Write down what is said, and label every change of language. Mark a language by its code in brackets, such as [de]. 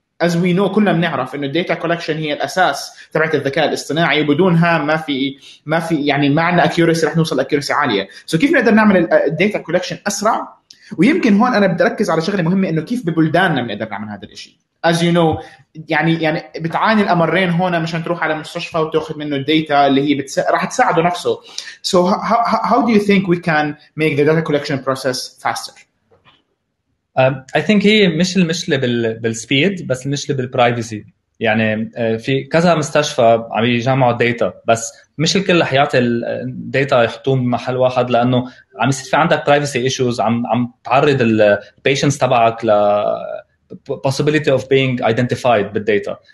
[en] As we know [ar] كلنا بنعرف انه الداتا كولكشن هي الاساس تبعت الذكاء الاصطناعي وبدونها ما في يعني ما عندنا اكيوريسي رح نوصل لاكيوريسي عاليه. سو كيف نقدر نعمل الداتا كولكشن اسرع. ويمكن هون انا بدي اركز على شغله مهمه انه كيف ببلداننا بنقدر نعمل هذا الشيء. [en] As you know [ar] يعني بتعاني الامرين هون مشان تروح على مستشفى وتاخذ منه الداتا اللي هي رح تساعده نفسه. [en] So how do you think we can make the data collection process faster. I think [ar] هي مش المشكلة بالسبيد بس المشكلة بالبرايفسي. يعني في كذا مستشفى عم يجمعوا الداتا، بس مش الكل رح يعطي الداتا يحطوهم بمحل واحد، لانه عم يصير في عندك [en] privacy issues، [ar] عم تعرض البيشنتس تبعك ل [en] possibility of being identified [ar] بالداتا.